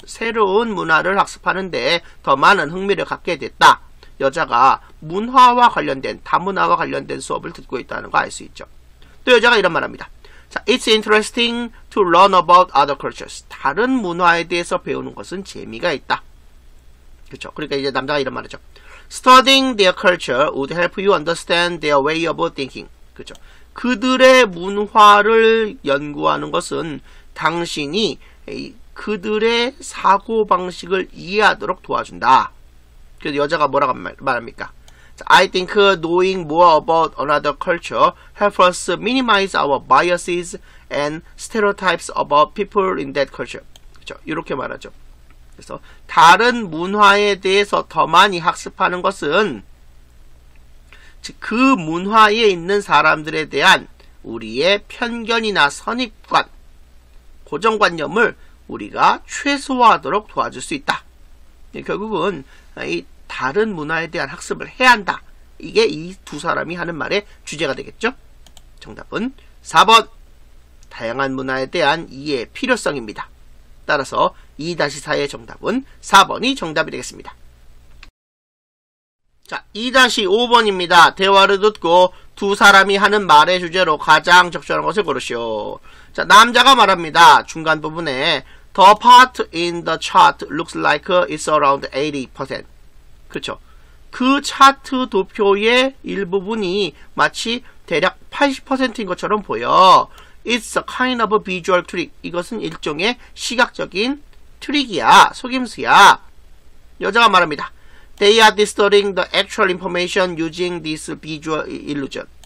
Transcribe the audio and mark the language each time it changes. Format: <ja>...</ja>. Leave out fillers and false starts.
<ko>새로운 문화를 학습하는데 더 많은 흥미를 갖게 됐다. 여자가 문화와 관련된, 다문화와 관련된 수업을 듣고 있다는 거 알 수 있죠. 또 여자가 이런 말합니다.</ko> <en>It's interesting to learn about other cultures.</en> <ko>다른 문화에 대해서 배우는 것은 재미가 있다. 그렇죠. 그러니까 이제 남자가 이런 말하죠.</ko> <en>Studying their culture would help you understand their way of thinking.</en> <ko>그렇죠. 그들의 문화를 연구하는 것은 당신이 그들의 사고방식을 이해하도록 도와준다. 그래서 여자가 뭐라고 말합니까?</ko> <en>I think knowing more about another culture helps us minimize our biases and stereotypes about people in that culture.</en> <ko>그렇죠? 이렇게 말하죠. 그래서 다른 문화에 대해서 더 많이 학습하는 것은 그 문화에 있는 사람들에 대한 우리의 편견이나 선입관, 고정관념을 우리가 최소화하도록 도와줄 수 있다. 결국은 이 다른 문화에 대한 학습을 해야 한다. 이게 이 두 사람이 하는 말의 주제가 되겠죠? 정답은 4번. 다양한 문화에 대한 이해의 필요성입니다. 따라서 2-4의 정답은 4번이 정답이 되겠습니다. 자, 2-5번입니다. 대화를 듣고 두 사람이 하는 말의 주제로 가장 적절한 것을 고르시오. 자, 남자가 말합니다. 중간 부분에</ko> <en>The part in the chart looks like it's around 80%.</en> <ko>그렇죠. 그 차트 도표의 일부분이 마치 대략 80%인 것처럼 보여.</ko> <en>It's a kind of a visual trick.</en> <ko>이것은 일종의 시각적인 트릭이야. 속임수야. 여자가 말합니다.</ko> <en>They are distorting the actual information using this visual illusion.</en>